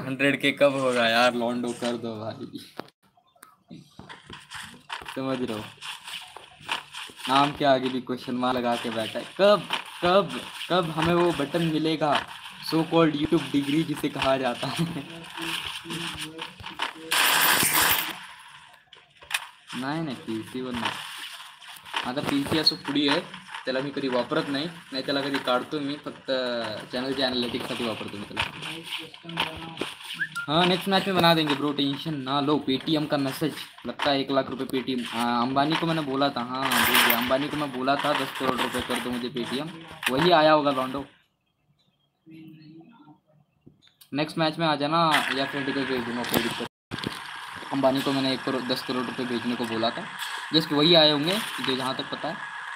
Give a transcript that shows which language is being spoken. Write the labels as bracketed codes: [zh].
[hi] 100K कब होगा यार, लॉन्डो कर दो भाई, समझ रहे हो, नाम के आगे भी क्वेश्चन मार्क लगा के बैठा है। कब कब कब हमें वो बटन मिलेगा, सो कॉल्ड यूट्यूब डिग्री जिसे कहा जाता है। [mr] नाही नाही पीसी वर नाही, आता पीसी असं पुढी आहे, त्याला मी कधी वापरत नाही, नाही त्याला कधी काढतो मी, फक्त चॅनलच्या ॲनालिटिक्ससाठी वापरतो मी त्याला। [hi] हां नेक्स्ट मॅच मी बना देंगे ब्रो, टेन्शन ना लो। पेटीएम का मेसेज लगता है 1 लाख रुपये पेटीएम, अंबानी को मैंने बोला था, हाँ बोलिए अंबानी को मैं बोला था 10 करोड़ रुपये कर दो मुझे पेटीएम, वही आया होगा लॉन्डो। नेक्स्ट मैच में आ जाना या फिर टिकट भेज दूंगा, कोई दिक्कत। अंबानी को मैंने 1 करोड़ 10 करोड़ रुपये भेजने को बोला था, जस्ट वही आए होंगे जो जहाँ तक पता है।